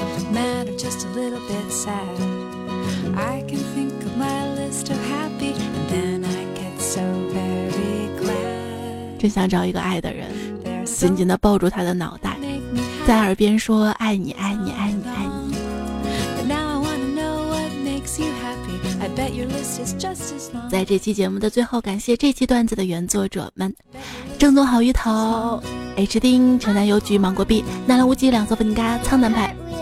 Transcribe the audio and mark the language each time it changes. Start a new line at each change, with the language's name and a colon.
English: Matter just a little bit sad. I can think of my list of happy, and then I get so very glad.
Chinese: 真想找一个爱的人，紧紧地抱住他的脑袋，在耳边说爱你，爱你，爱你，爱你。
English: But now I wanna know what makes you happy. I bet your list is just as long.
Chinese: 在这期节目的最后，感谢这期段子的原作者们：正宗好鱼头、H 丁、城南邮局、芒果币、奈良无极、两色粉嘎、苍南派。